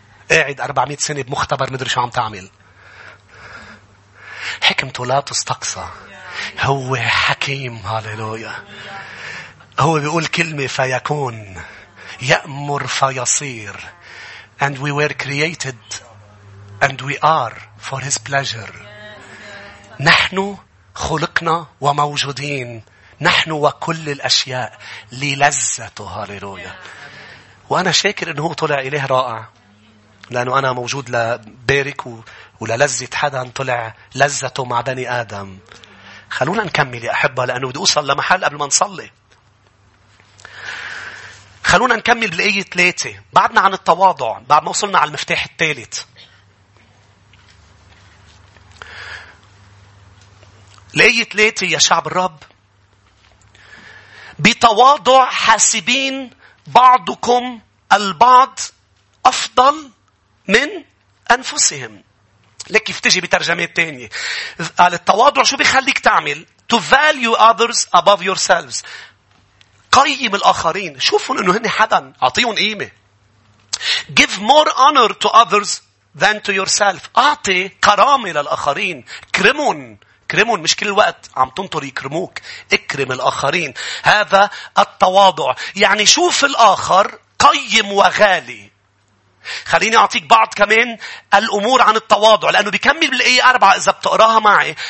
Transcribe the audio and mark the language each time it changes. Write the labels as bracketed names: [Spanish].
[Arabic] قاعد 400 سنة بمختبر مدري شو عم تعمل. حكمته لا تستقصى. هو حكيم. هاليلويا. هو بيقول كلمة فيكون، يأمر فيصير. [English] And we were created and we are for his pleasure. [Arabic] نحن خلقنا وموجودين، نحن وكل الأشياء للذته. هاليلويا. وأنا شاكر أنه طلع إله رائع، لأنه أنا موجود لبارك وللذة حدا طلع لذته مع بني آدم. خلونا نكمل يا أحبة لأنه بدي أوصل لمحل قبل ما نصلي. خلونا نكمل بالآية 3. بعدنا عن التواضع، بعد ما وصلنا على المفتاح الثالث. الآية 3 يا شعب الرب، بتواضع حاسبين بعضكم البعض أفضل من أنفسهم. لك كيف تجي بترجمات تانية. قال التواضع شو بيخليك تعمل؟ [English] To value others above yourselves. [Arabic] قيم الآخرين. شوفهم أنه هني حدا. أعطيهم قيمة. [English] Give more honor to others than to yourself. [Arabic] أعطي كرامة للآخرين. كرمون. كرمون مش كل الوقت عم تنطر يكرموك. اكرم الآخرين. هذا التواضع. يعني شوف الآخر قيم وغالي. خليني أعطيك بعض كمان الأمور عن التواضع لأنه بيكمل بالآية 4 إذا بتقراها معي.